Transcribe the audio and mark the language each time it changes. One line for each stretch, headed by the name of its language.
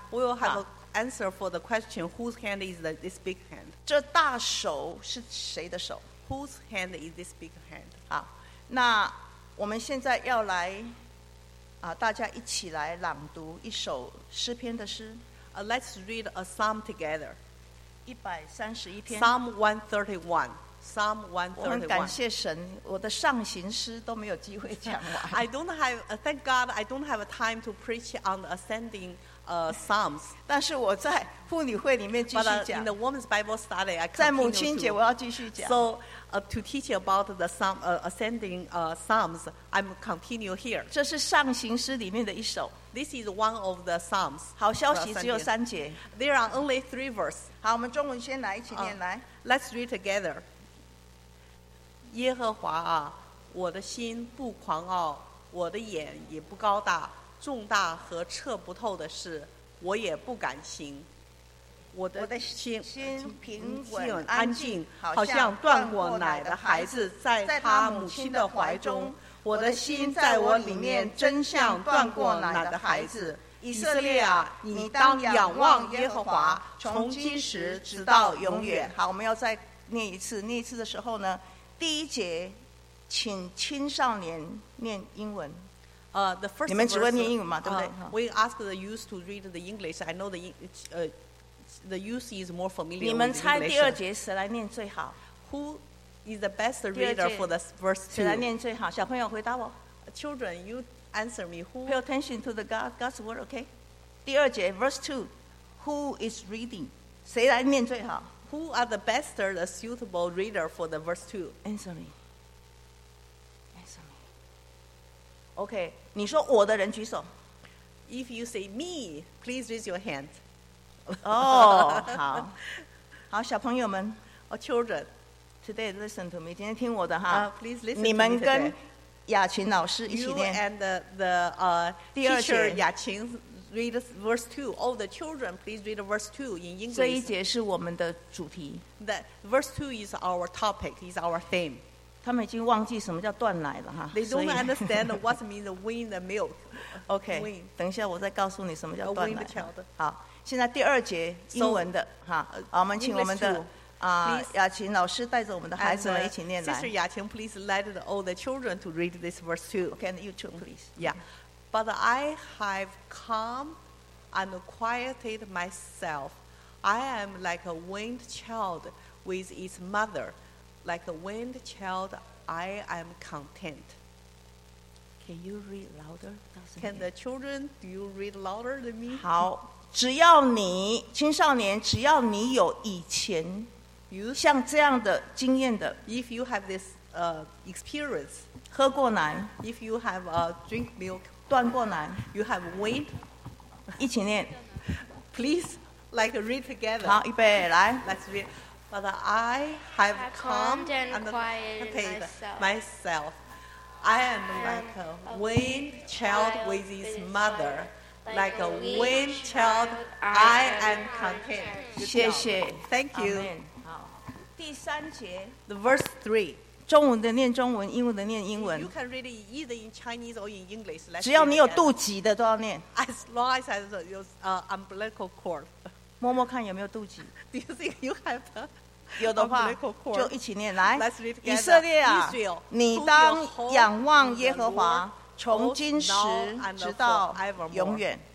English: We will have an answer for the question Whose hand is this big hand?
Chinese: 这大手是谁的手
English: Whose hand is this big hand?
Chinese: 好，那我们现在要来、大家一起来朗读一首诗篇的诗、
English: Let's read a psalm together
Chinese: 131篇
English: Psalm 131Psalm 131.
Chinese: 我很感谢神，我的上行诗都没有机会讲完。
English: I don't have, thank God, I don't have time to preach on the ascending, psalms.
Chinese: 但是我在妇女会里面继续讲。
English: But in the women's Bible study, I continue.
Chinese: 在母亲节我要继续讲。
English: So, to teach about the psalm, ascending, psalms, I'm continue here.
Chinese: 这是上行诗里面的一首。
English: This is one of the psalms.
Chinese: 好消息只有三节。
English: There are only three verses.
Chinese: 好，我们中文先来，一起念来。
English: Let's read together.
Chinese: 耶和华啊，我的心不狂傲，我的眼也不高大，重大和测不透的事，我也不敢行。我的心平稳安静，好像断过奶的孩子在他母亲的怀中。我的心在我里面，真像断过奶的孩子。以色列啊，你当仰望耶和华，从今时直到永远。好，我们要再念一次，念一次的时候呢？第一节，请青少年念英文。
English: The first
Chinese: 你们只会念英文嘛，对不对
English: ？We ask the youth to read the English. I know the youth is more familiar.
Chinese: 你们猜第二节谁来念最好
English: ？Who is the best reader for the verse two?
Chinese: 谁来念最好？小朋友回答我。
English: Children, you answer me. Who pay attention to the God's word? Okay.
Chinese: 第二节
English: verse 2 who is reading
Chinese: 谁来念最好
English: who are the best or the suitable reader for the verse 2 answer me OK
Chinese: 你说我的人举手
English: if you say me please raise your hand
Chinese: 哦、oh, 好好小朋友们
English: oh children today listen to me
Chinese: 今天听我的哈、
English: please listen
Chinese: 你们跟雅琴老师一起念
English: you and the teacher 雅琴Read verse 2. All the children, please read verse 2 in English.
Chinese: 这一节是我们的主题。
English: That verse 2 is our topic, is our theme.
Chinese: 他们已经忘记什么叫断奶了哈。
English: They don't understand what means win the milk.
Chinese: OK, 等一下我再告诉你什么叫断奶。
English: Win the child.
Chinese: 好，现在第二节英文的。好，我们请我们的雅琴老师带着我们的孩子们一起念来。
English: Sister 雅琴, please let all the children to read this verse 2. Can you too, please? Yeah. But I have come and quieted myself. I am like a weaned child with its mother. Like a weaned child, I am content. Can you read louder? Can the children, do you read louder than me?
Chinese: 好，只要你，青少年，只要你有以前像这样的经验的
English: If you have this experience,
Chinese: 喝过奶
English: If you have a drink milk,
Chinese: 断过奶
English: you have weaned
Chinese: 一起念
English: please like read together
Chinese: 好预备来
English: let's read but I have calmed and quieted myself I am like a weaned child with his mother like a weaned child I am content
Chinese: 谢谢
English: thank you
Chinese: 第三节
English: the verse 3
Chinese: 中文的念中文，英文的念英文。
English: You can read it either in Chinese or in English.
Chinese: 只要你有肚脐的都要念。
English: As long as you have umbilical cord.
Chinese: 摸摸看有没有肚脐。
English: Do you think you have the
Chinese: 有的话就一起念来。
English: Let's read together.
Chinese: 以色列啊，
English: Israel,
Chinese: 你当仰望耶和华，从今时直到永远。